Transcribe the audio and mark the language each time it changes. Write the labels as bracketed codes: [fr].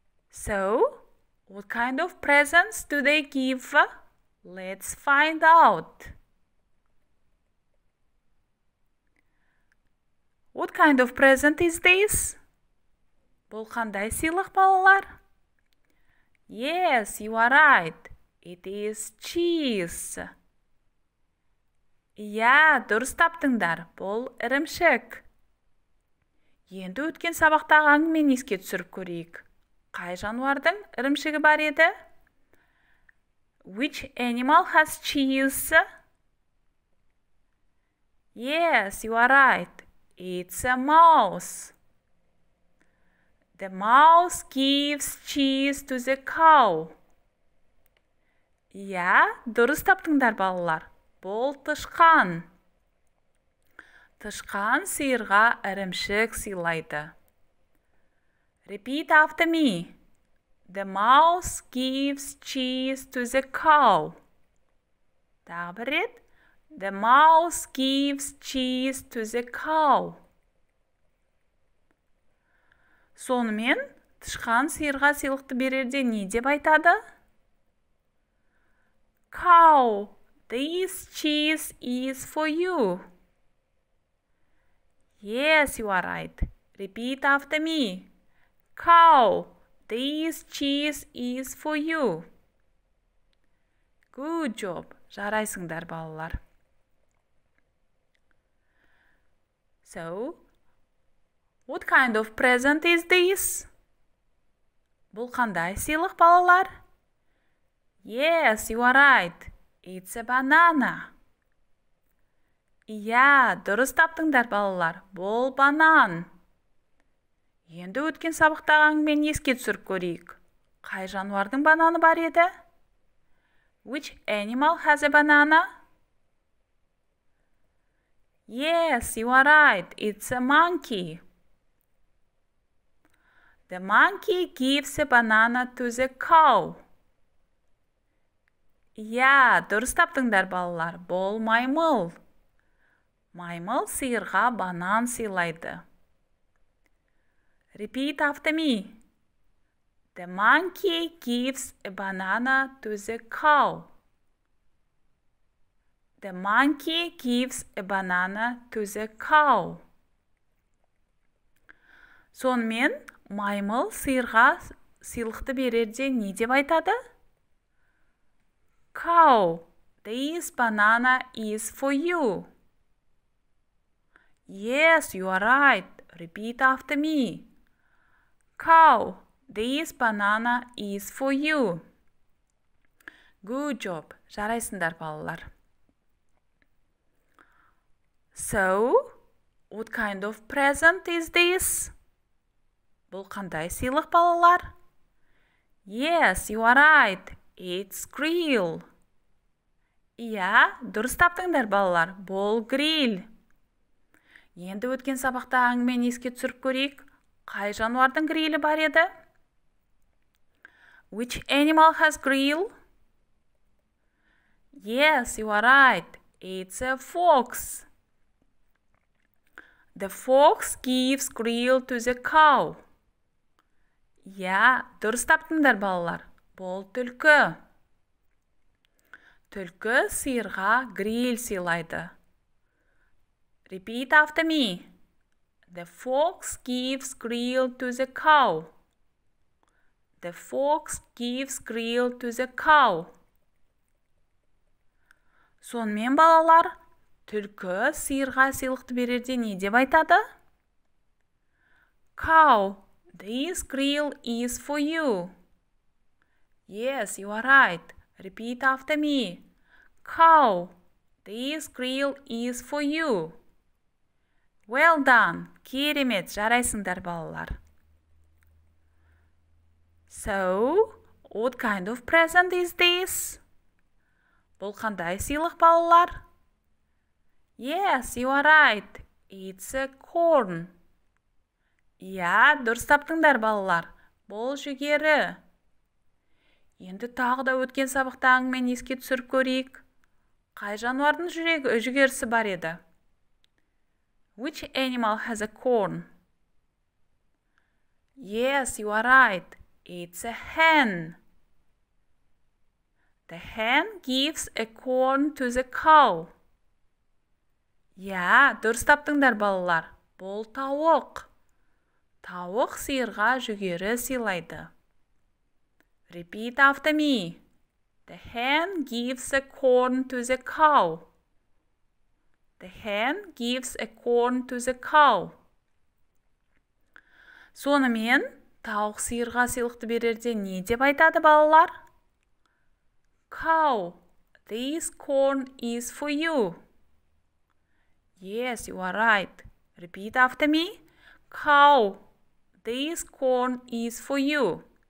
[en] So, what kind of presents do they give? Let's find out. What kind of present is this? [kk] Бұл қандай сыйлық, балалар? [en] Yes, you are right. It is cheese. [kk] Дұрыс таптыңдар. Бұл ірімшік. Енді өткен сабақтағы әңгімені еске түсіріп көрейік. Қай жануардың ірімшігі бар еді? [en] Which animal has cheese? Yes, you are right. It's a mouse. The mouse gives cheese to the cow. [kk] Дұрыс таптыңдар, балалар. Бұл тышқан. Тышқан сиырға ірімшік сыйлайды. [en] Repeat after me. The mouse gives cheese to the cow. [kk] Тағы бір рет. [en] The mouse gives cheese to the cow. [kk] Сонымен, тышқан сиырға сыйлықты берерде не деп айтады? [en] Cow, this cheese is for you. Yes, you are right. Repeat after me. Cow, this cheese is for you. Good job. [kk] Жарайсыңдар, балалар. [en] So, what kind of present is this? [kk] Бұл қандай сыйлық, балалар? [en] Yes, you are right. It's a banana. [kk] Дұрыс таптыңдар, балалар. Бұл банан. Енді өткен сабақтағы әңгімені еске түсіріп көрейік. Қай жануардың бананы бар еді? [en] Which animal has a banana? Yes, you are right. It's a monkey. The monkey gives a banana to the cow. [kk] Дұрыс таптыңдар, балалар. Бұл маймыл. Маймыл сиырға банан сыйлайды. [en] Repeat after me. The monkey gives a banana to the cow. The monkey gives a banana to the cow. [kk] Сонымен маймыл сиырға сыйлықты берерде не деп айтады? [en] Cow, this banana is for you. Yes, you are right. Repeat after me. Cow, this banana is for you. Good job. [kk] Жарайсыңдар, балалар. [en] So, what kind of present is this? [kk] Бұл қандай сыйлық, балалар? [en] Yes, you are right. It's grill. [kk] Иә, дұрыс таптыңдар, балалар. Бұл грил. Енді өткен сабақта әңгімен еске түсіріп көрейік. Қай жануардың грилі бар еді? [en] Which animal has grill? Yes, you are right. It's a fox. The fox gives grill to the cow. [kk] Иә, дұрыс таптыңдар, балалар. Бұл түлкі. Түлкі сиырға грил сыйлайды. [en] Repeat after me. The fox gives grill to the cow. The fox gives grill to the cow. [kk] Сонымен, балалар, түлкі сиырға сыйлықты берерде не деп айтады? [en] Cow, this grill is for you. Yes, you are right. Repeat after me. Cow, this grill is for you. Well done! [kk] Керемет! Жарайсыңдар, балалар! [en] So, what kind of present is this? [kk] Бұл қандай сыйлық, балалар? [en] Yes, you are right. It's a corn. [kk] Дұрыс таптыңдар, балалар. Бұл жүгері. Енді тағы да өткен сабақта әңгімені еске түсіріп көрейік. Қай жануардың жүгерісі бар еді? [en] Which animal has a corn? Yes, you are right. It's a hen. The hen gives a corn to the cow. [kk] Дұрыс таптыңдар, балалар. Бұл тауық. Тауық сиырға жүгері сыйлайды. [en] Repeat after me. The hen gives a corn to the cow. The hen gives a corn to the cow. [kk] Сонымен, тауық сиырға сыйлықты берерде не деп айтады, балалар? [en] Cow, this corn is for you. Yes, you are right. Repeat after me. Cow, this corn is for you.